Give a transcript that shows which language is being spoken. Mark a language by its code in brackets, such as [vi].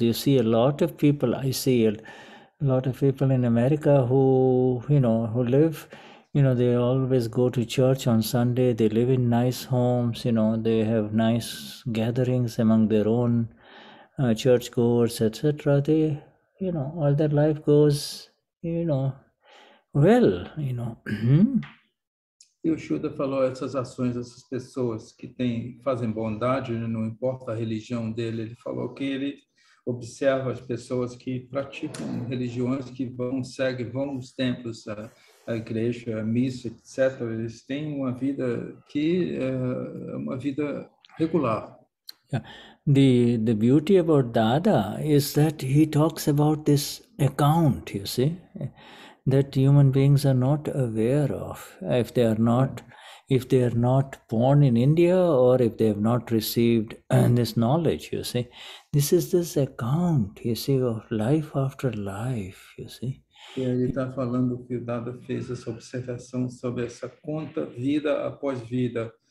[en] You see, a lot of people in America who, you know, who live, you know, they always go to church on Sunday. They live in nice homes, you know, they have nice gatherings among their own churchgoers, etc. They, you know, all their life goes, you know, well, you know. [pt] E o Shuddha falou essas ações dessas pessoas que têm fazem bondade, não importa a religião dele. Ele falou que ele observa as pessoas que praticam religiões, que seguem os templos, a igreja, a missa, etc. Eles têm uma vida que é uma vida regular. [en] Yeah. The beauty about Dada is that he talks about this account, you see, that human beings are not aware of if they are not born in India or if they have not received this knowledge, you see. This is this account, you see, of life after life, you see. [pt] Ele está falando que o Dada fez essa observação sobre essa conta vida após vida.